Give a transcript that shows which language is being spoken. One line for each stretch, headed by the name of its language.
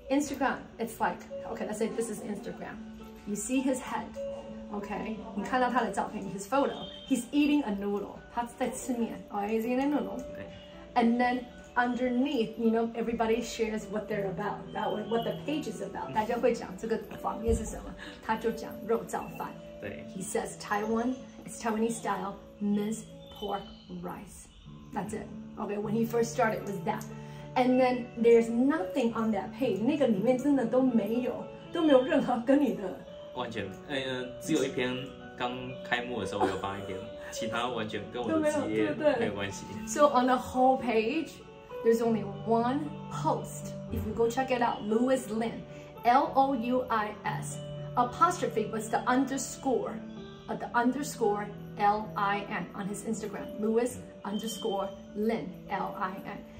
English: Instagram, it's like, okay, let's say this is Instagram. You see his head, okay?
Chinese: 你看到他的照片
English: his photo. He's eating a noodle.
Chinese: 他在吃面
English: oh, he's eating a noodle. And then underneath, you know, everybody shares what they're about, what the page is about.
Chinese: 大家会讲这个方面是什么他就讲肉燥饭对
English: He says Taiwan, it's Taiwanese style, Miss Pork Rice. That's it. Okay, when he first started, it was that. And then there's nothing on that page.
Chinese: 那个里面真的都没有任何跟你的。完全，只有一篇刚开幕的时候有发一篇，其他完全跟我的职业没有关系。
English: So on the whole page, there's only one post. If you go check it out, Louis Lin, L-O-U-I-S, apostrophe was the underscore, the underscore L-I-N on his Instagram, Louis underscore Lin, L-I-N.